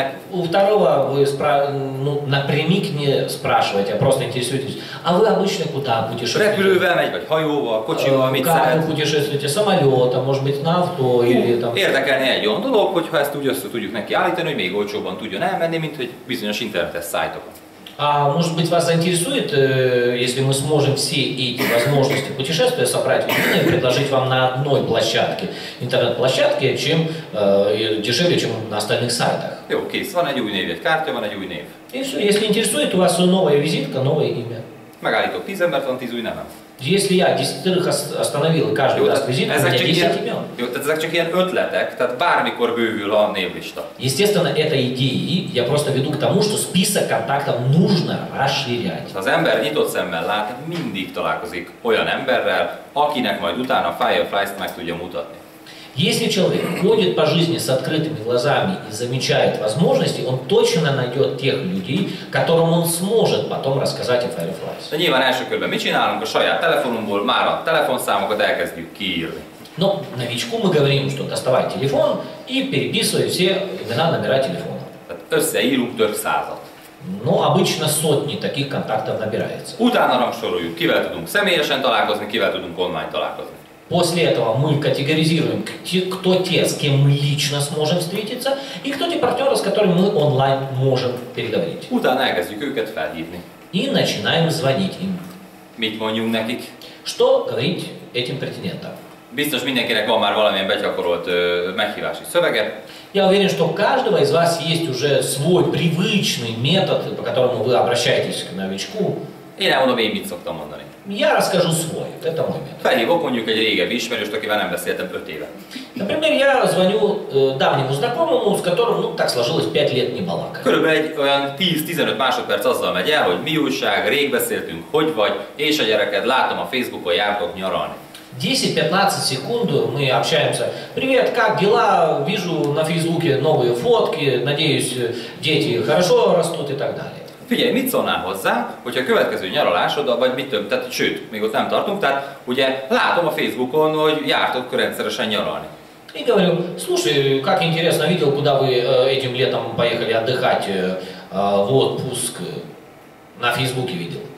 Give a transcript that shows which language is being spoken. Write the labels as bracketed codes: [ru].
[ru] У второго вы ну, напрямик не спрашиваете, а просто интересуетесь, а вы обычно куда путешествуете? Как вы путешествуете? Самолетом, может быть, на авто или там... [hu] Érdekelni egy olyan dolog, hogyha ezt úgy össze tudjuk neki állítani, hogy még olcsóban tudjon elmenni, mint hogy bizonyos internetes szájtokat. [ru] А может быть вас заинтересует, если мы сможем все эти возможности путешествия собрать в единое и предложить вам на одной площадке, интернет-площадке, чем дешевле, чем на остальных сайтах. Окей, вон один новый вид, карта, вон один новый. И все, если интересует, у вас новая визитка, новое имя. [hu] Megállítok 10 embert, van 10 új nevem. [ru] Если я 10-ых остановил, каждый даст визитку, у меня 10 имен. [hu] Jó, tehát ezek csak ilyen ötletek, tehát bármikor bővül a névlista. [ru] Естественно, это идеи, я просто веду к тому, что список контактов нужно расширять. [hu] Az ember nyitott szemmel lát, mindig találkozik olyan emberrel, akinek majd utána Fireflies-t meg tudja mutatni. [ru] Если человек ходит по жизни с открытыми глазами и замечает возможности, он точно найдет тех людей, которым он сможет потом рассказать о Fireflies. [hu] Да, nyilván első körben mi csinálunk, a saját telefonunkból már a telefonszámokat elkezdjük kiírni. [ru] Но новичку мы говорим, что доставай телефон и переписывай все имена, номера телефона. [hu] Tehát összeírunk több százat. [ru] Но обычно сотни таких контактов набирается. [hu] Utána rangsoroljuk, kivel tudunk személyesen találkozni, kivel tudunk online találkozni. [ru] После этого мы категоризируем, кто те, с кем мы лично сможем встретиться, и кто те партнеры, с которыми мы онлайн можем переговорить. [hu] Utána elkezdjük őket felhívni. [ru] И начинаем звонить им. [hu] Mit mondjunk nekik? [ru] Что говорить этим претендентам? [hu] Biztos mindenkinek van már valamilyen begyakorolt meghívási szövege. [ru] Я уверен, что у каждого из вас есть уже свой привычный метод, по которому вы обращаетесь к новичку. [hu] Én elmondom, én mit szoktam mondani. [ru] Я расскажу свой, это мой метод. [hu] Felhívok mondjuk egy régebbi ismerőst, akivel nem beszéltem 5 éve. [ru] Например, я звоню давнему знакомому, с которым, ну, так сложилось, 5 лет не балакали. [hu] Körülbelül egy olyan 10-15 másodperc azzal megy el, hogy mi újság, rég beszéltünk, hogy vagy, és a gyereked, látom a Facebookon jártok nyaralni. [ru] 10-15 секунд мы общаемся. Привет, как дела? Вижу на Фейсбуке новые фотки. Надеюсь, дети хорошо растут и так далее. [hu] Figyelj, mit szólnál hozzá, hogyha a következő nyaralásod, vagy mit több, tehát sőt, még ott nem tartunk, tehát ugye látom a Facebookon, hogy jártok rendszeresen nyaralni. [ru] Én говорю, слушай, как интересно, видел, куда вы этим летом поехали отдыхать в отпуск, на Фейсбуке видел.